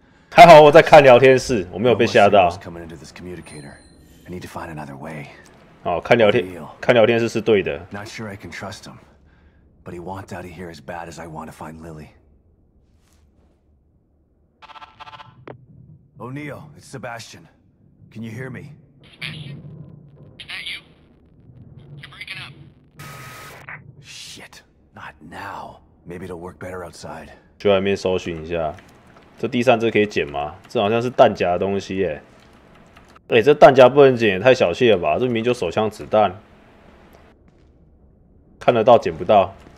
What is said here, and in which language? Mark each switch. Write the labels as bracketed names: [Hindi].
[Chinese] 还好我在看聊天室，我没有被吓到。 [English] Coming into this communicator. I need to find another way. [Chinese] 哦，看聊天室是对的。 [English] Not sure I can trust him, but he wants out of here as bad as I want to find Lily. O'Neill, it's Sebastian. Can you hear me? Sebastian, is that you? You're breaking up. Shit, not now. Maybe it'll work better outside. [Chinese] 去外面搜寻一下，这地上这可以捡吗？这好像是弹夹的东西耶。哎，这弹夹不能捡，也太小气了吧？这明明就手枪子弹，看得到捡不到。